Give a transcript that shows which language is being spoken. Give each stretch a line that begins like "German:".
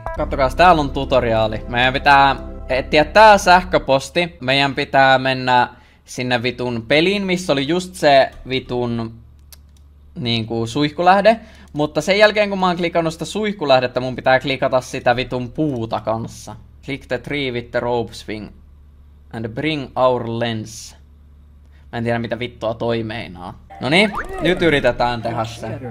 Finnish: Kattokaas, täällä on tutoriaali. Meidän pitää etsiä tää sähköposti. Meidän pitää mennä sinne vitun peliin, missä oli just se vitun niinku suihkulähde. Mutta sen jälkeen, kun mä oon klikannut sitä suihkulähdettä, mun pitää klikata sitä vitun puuta kanssa.
English: Click the tree with the rope swing and bring our lens.
Finnish: Mä en tiedä, mitä vittua toi meinaa. Noniin, nyt yritetään tehdä se.